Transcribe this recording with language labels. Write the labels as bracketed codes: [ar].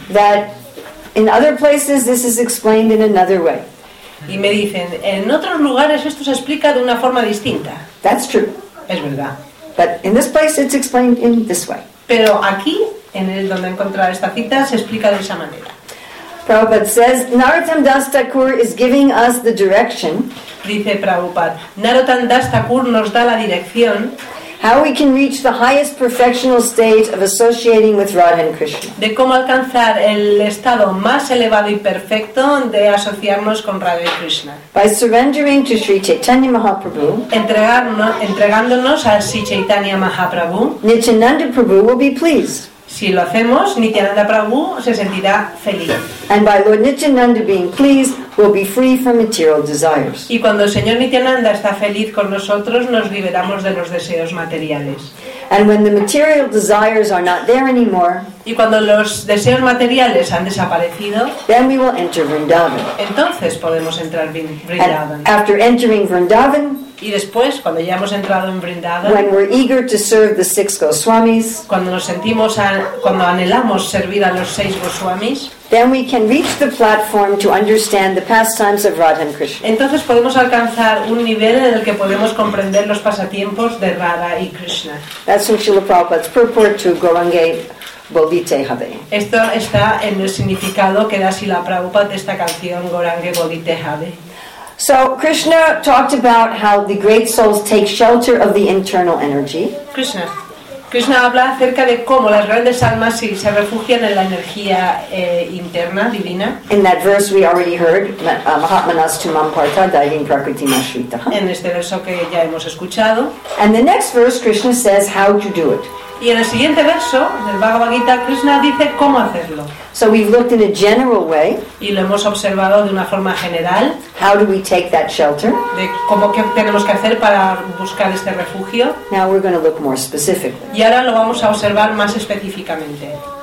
[en] That in other places this is explained in another way. [es] Y me dicen, en otros lugares esto se explica de una forma distinta. [en] That's true. [es] Es verdad. [en] But in this place it's explained in this way. [es] Pero aquí, en el donde encontrar esta cita, se explica de esa manera. [en] Prabhupada says, Narottam Das Thakur is giving us the direction. [es] Dice Prabhupada, Narottam Das Thakur nos da la dirección. [en] How we can reach the highest perfectional stage of associating with Radha and Krishna. [es] De cómo alcanzar el estado más elevado y perfecto de asociarnos con Radha y Krishna. [en] By surrendering to Sri Chaitanya Mahaprabhu. [es] Entregándonos a Sri Chaitanya Mahaprabhu. [en] Nityananda Prabhu will be pleased. [es] Si lo hacemos, Nityananda Prabhu se sentirá feliz. [en] And by Lord Nityananda being pleased, we'll be free from material desires. [es] Y cuando el señor Nityananda está feliz con nosotros, nos liberamos de los deseos materiales. [en] And when the material desires are not there anymore, [es] y cuando los deseos materiales han desaparecido, [en] then we will enter Vrindavan. [es] Entonces podemos entrar en Vrindavan. [en] And after entering Vrindavan, [es] y después, cuando ya hemos entrado en Vrindavan, [en] when we're eager to serve the six Goswamis, [es] cuando anhelamos servir a los seis Goswamis, [en] then we can reach the platform to understand the pastimes of Radha and Krishna. [es] Entonces podemos alcanzar un nivel en el que podemos comprender los pasatiempos de Radha y Krishna. [en] That's from Srila Prabhupada's purport to Gaurangi Bodhite Habe. [es] Esto está en el significado que da Srila Prabhupada de esta canción Gaurangi Bodhite Habe. [en] So Krishna talked about how the great souls take shelter of the internal energy. [es] Krishna habla acerca de cómo las grandes almas se refugian en la energía interna divina. [en] In that verse we already heard, [sa] Mahatmanas tumam partha daivim prakriti nashrita. [es] En este verso que ya hemos escuchado. [en] And the next verse Krishna says how to do it. [es] Y en el siguiente verso del Bhagavad Gita Krishna dice cómo hacerlo. [en] So we've looked in a general way. [es] Y lo hemos observado de una forma general. [en] How do we take that shelter? [es] De cómo que tenemos que hacer para buscar este refugio. [en] Now we're going to look more specifically. [es] Y ahora lo vamos a observar más específicamente.